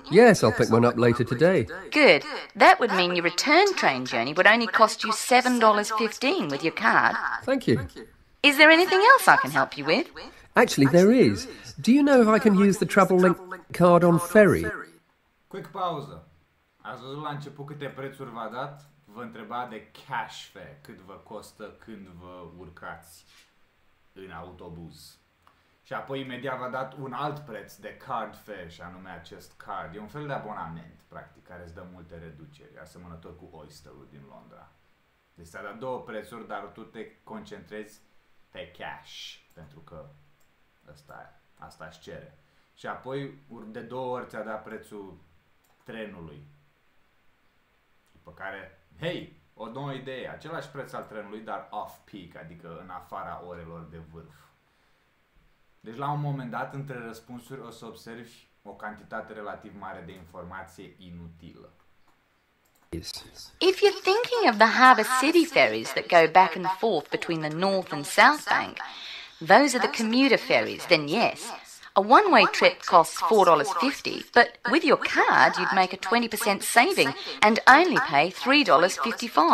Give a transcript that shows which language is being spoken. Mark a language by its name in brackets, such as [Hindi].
[English] Yes, I'll pick one up later today. Good. That would mean your return train journey would only cost you $7.15 with your card. Thank you. Is there anything else I can help you with? Actually, there is. Do you know if I can use the TravelLink card on ferry? Quick pause. [Romanian] Ați văzut la început câte prețuri v-a dat? Vă întreba de cash fare, cât vă costă când vă urcați în autobuz. Și apoi imediat v-a dat un alt preț de card fare, și anume acest card. E un fel de abonament, practic, care îți dă multe reduceri, asemănător cu Oyster-ul din Londra. Deci ți-a dat două prețuri, dar tu te concentrezi pe cash, pentru că asta își cere. Și apoi de două ori ți-a dat prețul trenului. După care, hei, o nouă idee, același preț al trenului, dar off-peak, adică în afara orelor de vârf. Deci la un moment dat, între răspunsuri, o să observi o cantitate relativ mare de informație inutilă. [English] If you're thinking of the Harbour City ferries that go back and forth between the North and South Bank, those are the commuter ferries, then yes. A one-way trip costs $4.50, but with your card, you'd make a 20% saving and only pay $3.55.